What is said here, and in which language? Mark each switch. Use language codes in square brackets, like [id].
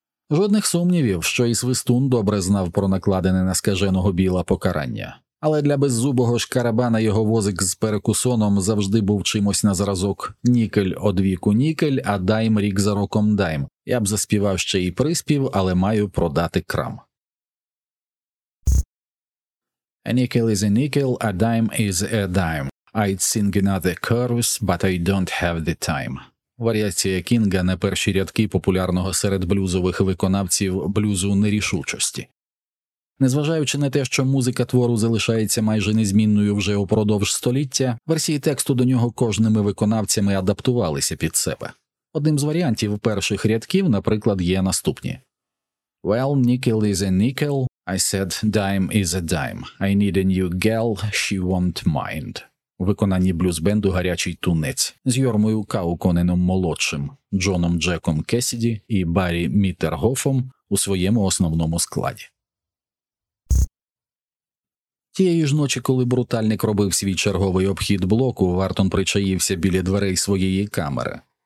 [uk] Жодних сумнівів, що і Свистун добре знав про накладене на скаженого Біла покарання. Але для беззубого шкарабана його возик з перекусоном завжди був чимось на зразок «Нікель одвіку нікель, а дайм рік за роком дайм». Я б заспівав ще й приспів, але маю продати крам. [en] A nickel is a nickel, a dime is a dime. I'd sing another chorus, but I don't have the time. [uk] Варіація Кінга на перші рядки популярного серед блюзових виконавців блюзу нерішучості. Незважаючи на те, що музика твору залишається майже незмінною вже упродовж століття, версії тексту до нього кожними виконавцями адаптувалися під себе. Одним з варіантів перших рядків, наприклад, є наступні. [en] Well, nickel is a nickel. I said, dime is a dime. I need a new girl, she won't mind. [uk] У виконанні блюзбенду «Гарячий тунець» з Йормою Кауконеном молодшим, Джоном Джеком Кесіді і Баррі Мітергофом у своєму основному складі. Тієї ж ночі, коли брутальник робив свій черговий обхід блоку, Вартон причаївся біля дверей своєї камери.